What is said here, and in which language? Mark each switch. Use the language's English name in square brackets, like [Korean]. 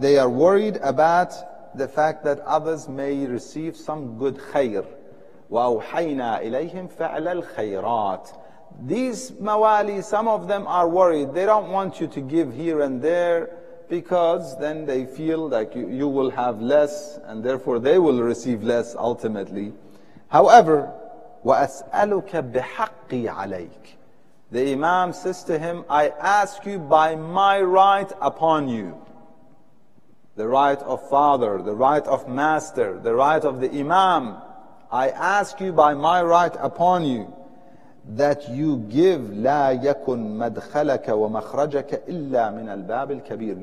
[English] They are worried about the fact that others may receive some good khayr. [Arabic] وَأَوْحَيْنَا إِلَيْهِمْ فَعْلَ الْخَيْرَاتِ. [English] These mawali, some of them are worried. They don't want you to give here and there, because then they feel like you will have less, and therefore they will receive less ultimately. However, [Arabic] وَأَسْأَلُكَ بِحَقِّي عَلَيْكَ. [English] The Imam says to him, I ask you by my right upon you. The right of father, the right of master, the right of the Imam. I ask you by my right upon you that you give [Arabic] لا يكن مدخلك ومخرجك إلا من الباب الكبير.